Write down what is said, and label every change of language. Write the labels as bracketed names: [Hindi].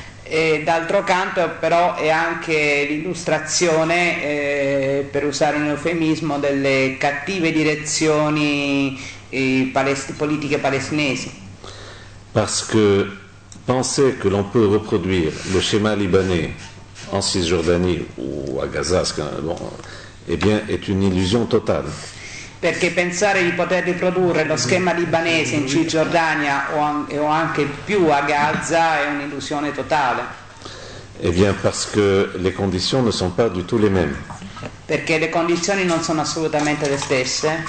[Italian] E d'altro canto però è anche l'illustrazione, per usare un eufemismo, delle cattive direzioni politiche palestinesi. [French] Parce que penser que l'on peut reproduire le schéma libanais en Cisjordanie ou à Gaza, est une illusion totale. [Italian] Perché pensare di poter riprodurre lo schema libanese in Cisgiordania o anche più a Gaza è un'illusione totale. [French] Eh bien, parce que les conditions ne sont pas du tout les mêmes. [Italian] Perché le condizioni non sono assolutamente le stesse.